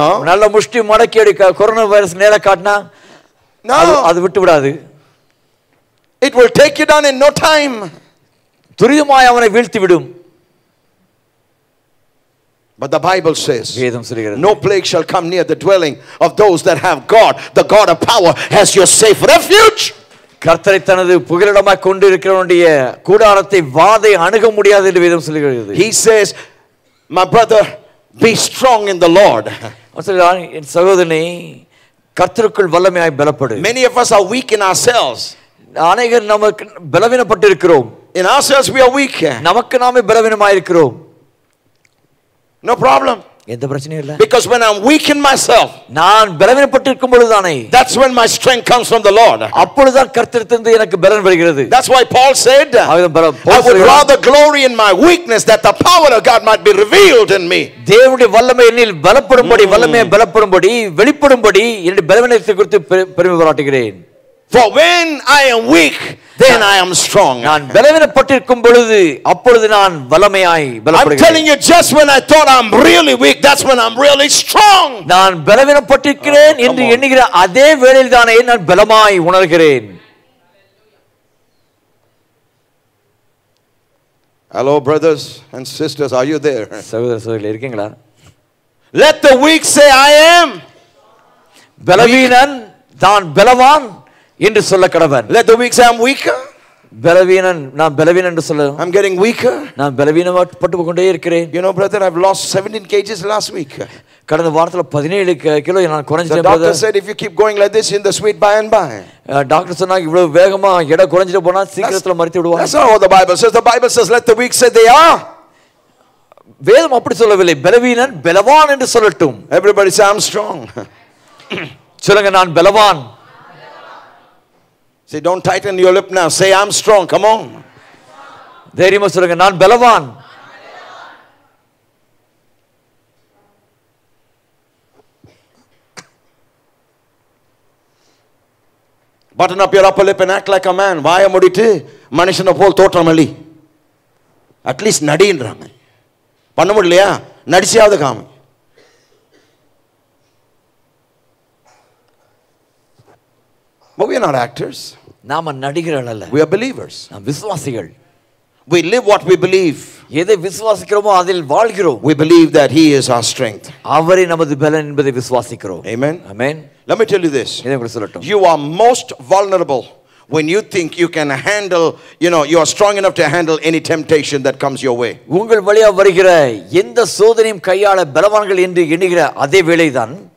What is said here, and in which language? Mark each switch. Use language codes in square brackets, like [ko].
[ta] நல்ல முஷ்டி மடக்கி அடிக்க கொரோனா வைரஸ் நேர காட்டினா அது விட்டு விடாது. [en] It will take you down in no time. [ta] துரிதமாய் அவனை வீழ்த்தி விடும். [en] But the Bible says, [ta] வேதம் சொல்கிறது, [en] no plague shall come near the dwelling of those that have God, the God of power, as your safe refuge. [ta] கர்த்தரை தனது புகலிடமாய் கொண்டிருக்கிறவனுடைய கூடாரத்தை வாதை அணுக முடியாது என்று வேதம் சொல்கிறது. [en] He says, my brother, be strong in the Lord. [ta] என் சகோதரனே, கர்த்தருக்குள் வல்லமையாய் பலப்படு. [en] Many of us are weak in ourselves. [ta] அநேகர் நமக்கு பலவீனப்பட்டிருக்கிறோம். [en] In ourselves we are weak. [ta] நமக்கு நாமே பலவீனமாய் இருக்கிறோம். [en] No problem. [ta] எந்த பிரச்சனையும் இல்ல. [en] Because when I'm weak in myself, [ta] நான் பலவீனப்பட்டிருக்கும் பொழுது தானே, [en] that's when my strength comes from the Lord. [ta] அப்பொழுது தான் கர்த்தரிடத்திலிருந்து எனக்கு பலன் வருகிறது. [en] That's why Paul said, I would rather glory in my weakness that the power of God might be revealed in me. [ta] தேவனுடைய வல்லமை என்னில் பலப்படும்படி, வல்லமையை பலப்படும்படி, வெளிப்படும்படி என்னுடைய பலவீனத்தை குறித்து பெருமை பாராட்டுகிறேன். [en] For when I am weak, then I am strong. [ta] நான் பலவீனப்பட்டிருக்கும் பொழுது அப்பொழுது நான் வலிமையாய் பலப்படுகிறேன். [en] I'm telling you, just when I thought I'm really weak, that's when I'm really strong. [ta] நான் பலவீனப்பட்டிருக்கிறேன் என்று எண்ணுகிற அதே வேளையில் தானே நான் பலமாய் உணர்கிறேன். [en] Hello brothers and sisters, are you there? [ta] சகோதர சகோதரிகளே இருக்கீங்களா? [en] Let the weak say I am. [ta] பலவீனன் தான் பலவான் என்று சொல்ல கடவன். [en] Let the weak say I'm weaker. [ta] பலவீனன் நான் பலவீனன் என்று சொல்ல. [en] I'm getting weaker. [ta] நான் பலவீனப்பட்டுக்கொண்டே இருக்கிறேன். [en] You know brother, I've lost 17 kgs last week. [ta] கடந்த வாரத்துல 17 கிலோ நான் குறைஞ்சிட்டேன். [en] The doctor said if you keep going like this in the sweet by and by. [ta] Doctor சொன்னாங்க இவ்வளவு வேகமா எடை குறைஞ்சிட்டு போனா சீக்கிரத்துல மரித்து விடுவாங்க. [en] That's not what the Bible says. The Bible says let the weak say they are. [ta] வேதம் அப்படி சொல்லவில்லை. பலவீனன் பலவான் என்று சொல்லட்டும். [en] Everybody say I'm strong. [ta] சொல்லுங்க நான் பலவான். [en] Say, don't tighten your lip now. Say, I'm strong. Come on. There you must say, I'm Belavan. Button up your upper lip and act like a man. Why am I doing it? Manishan of all thought normally. At least nadi in rame. Pannu mudi liya? Nadi siya adha kaam. But we are not actors. [ta] நாம நடிகர்கள் அல்ல. [en] We are believers. [ta] நாம் விசுவாசிகள். [en] We live what we believe. [ta] எதை விசுவாசிக்கிறோமோ அதில் வாழ்கிறோம். [en] We believe that he is our strength. [ta] அவரே நமது பலன் என்பதை விசுவாசிக்கிறோம். [en] Amen. Amen. Let me tell you this. [ta] இதை உங்களுக்கு சொல்லட்டும். [en] You are most vulnerable when you think you can handle, you know, you are strong enough to handle any temptation that comes your way. [ta] உங்கள் வழியாக வருகிற எந்த சோதனையும் கையாள பலவான்கள் என்று எண்ணுகிற அதே வேளைதான்